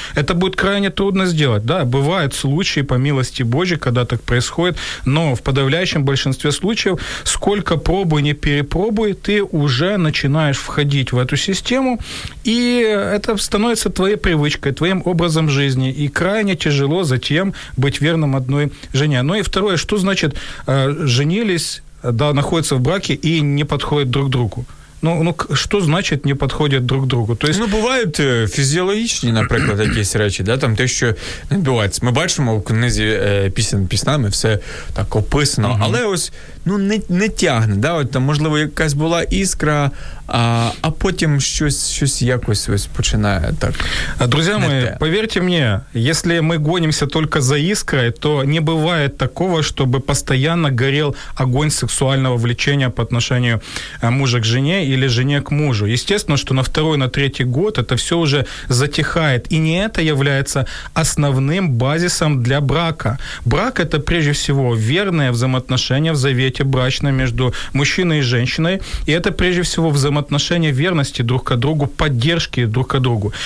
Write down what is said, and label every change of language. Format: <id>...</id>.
<ru>Это будет крайне трудно сделать, да. Бывают случаи, по милости Божьей, когда так происходит, но в подавляющем большинстве случаев, сколько пробуй, не перепробуй, ты уже начинаешь входить в эту систему, и это становится твоей привычкой, твоим образом жизни, и крайне тяжело затем быть верным одной жене. Ну и второе, что значит «женились», да, находятся в браке и не подходят друг другу.</ru> <uk>Ну, що значить не підходять друг другу?</uk> <ru>То есть...</ru> <uk>Ну, бувають фізіологічні, наприклад, якісь речі, да? Там те, що відбувається. Ми бачимо в книзі піснами все так описано, угу. Але ось не тягне. Да? От, там, можливо, якась була іскра, а потім щось якось ось починає так. Друзі мої, повірте мені, якщо ми гонимося тільки за іскрою, то не буває такого, щоб постійно горів огонь сексуального влечення по відношенню мужа к жені</uk> <ru>или жене к мужу. Естественно, что на второй, на третий год это все уже затихает. И не это является основным базисом для брака. Брак – это прежде всего верное взаимоотношение в завете брачном между мужчиной и женщиной. И это прежде всего взаимоотношение верности друг к другу, поддержки друг к другу.</ru>